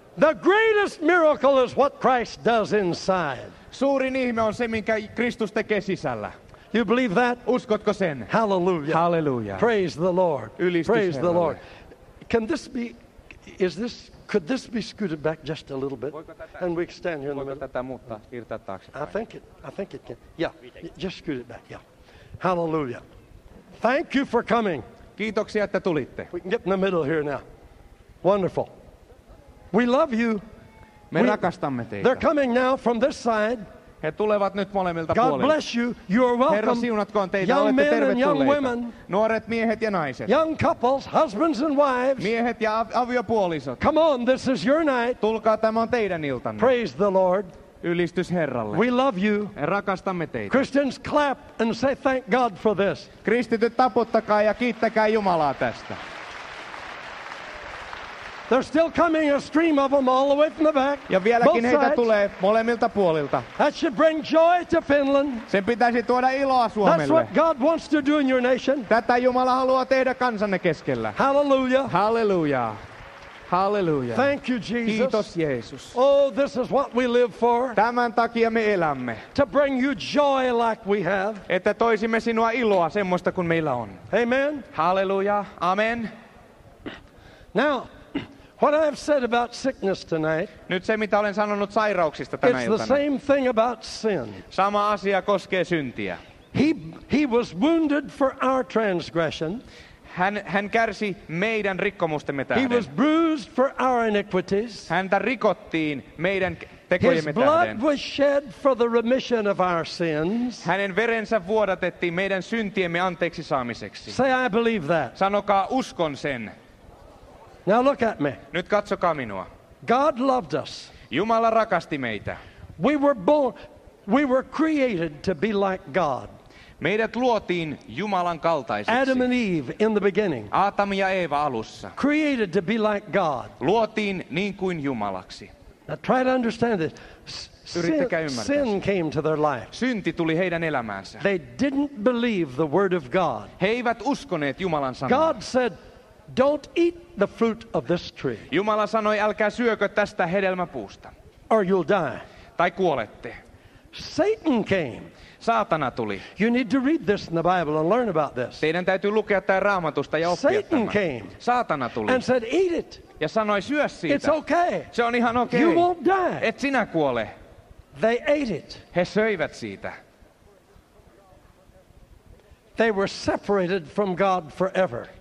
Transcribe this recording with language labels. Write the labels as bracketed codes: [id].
[en] The greatest miracle is what Christ does inside. [fi] Suurin ihme on se, minkä Kristus tekee sisällä. [en] You believe that? [fi] Uskotko sen? Hallelujah. Hallelujah. [en] Praise the Lord. [fi] Ylistys [en] praise [fi] Herralle. [en] The Lord. Can this be, is this, could this be scooted back just a little bit? And we stand here in the middle. I think it can. Yeah. Just scoot it back. Yeah. Hallelujah. Thank you for coming. [fi] Kiitoksia, että tulitte. [en] We can get in the middle here now. Wonderful. We love you. [fi] Me rakastamme teitä. [en] They're coming now from this side. [fi] He tulevat nyt molemmilta [en] God [fi] puolilta. [en] Bless you. You are welcome. [fi] Herra siunatkoon teitä. [en] Young [fi] olette tervetulleita. [en] Young women, [fi] nuoret miehet ja naiset. [en] Young couples, husbands and wives. [fi] Miehet ja aviopuolisot. [en] Come on, this is your night. [fi] Tulkaa, tämä on teidän iltanne. [en] Praise the Lord. [fi] Ylistys Herralle. [en] We love you. [fi] Rakastamme teitä. [en] Christians clap and say thank God for this. [fi] Kristityt taputtakaa ja kiittäkää Jumalaa tästä. [en] They're still coming a stream of them all the way from the back. [fi] Ja vieläkin heitä tulee molemmilta puolilta. [en] That should bring joy to Finland. [fi] Sen pitäisi tuoda iloa Suomelle. [en] That's what God wants to do in your nation. [fi] Tätä Jumala haluaa tehdä kansanne keskellä. Hallelujah. Hallelujah. Hallelujah. [en] Thank you, Jesus. [fi] Kiitos, Jeesus. [en] Oh, this is what we live for. [fi] Tämän takia me elämme. [en] To bring you joy like we have. [fi] Että toisimme sinua iloa semmoista kuin meillä on. Amen. Hallelujah. Amen. [en] Now, what I've said about sickness tonight. [fi] Nyt se mitä olen sanonut sairauksista tänä iltana. [en] It's the same thing about sin. [fi] Sama asia koskee syntiä. [en] He was wounded for our transgression. [fi] Hän kärsi meidän rikkomustemme tähden. [en] He was bruised for our iniquities. [fi] Häntä rikottiin meidän tekojemme tähden. [en] His blood was shed for the remission of our sins. [fi] Hänen verensä vuodatettiin meidän syntiemme anteeksi saamiseksi. [en] Say I believe that. [fi] Sanokaa uskon sen. [en] Now look at me. [fi] Nyt katsokaa minua. [en] God loved us. [fi] Jumala rakasti meitä. [en] We were created to be like God. [fi] Meidät luotiin Jumalan kaltaiseksi. [en] Adam and Eve in the beginning. [fi] Aatam ja Eeva alussa. [en] Created to be like God. [fi] Luotiin niin kuin Jumalaksi. [en] Now try to understand this. Sin came to their life. [fi] Synti tuli heidän elämäänsä. [en] They didn't believe the word of God. [fi] He eivät uskoneet Jumalan sanaa. [en] God said, don't eat the fruit of this tree. [fi] Jumala sanoi, älkää syökö tästä hedelmäpuusta. [en] Or you'll die. [fi] Tai kuolette. [en] Satan came. [fi] Saatana tuli. [en] You need to read this in the Bible and learn about this. [fi] Teidän täytyy lukea tämä Raamatusta ja oppia [en] Satan [fi] tämän. [en] Came. [fi] Saatana tuli. [en] And said, eat it. [fi] Ja sanoi, syö siitä. [en] It's okay. [fi] Se on ihan okei. [en] You won't die. [fi] Et sinä kuole. [en] They ate it. [fi] He söivät siitä. [en] They were separated from God forever.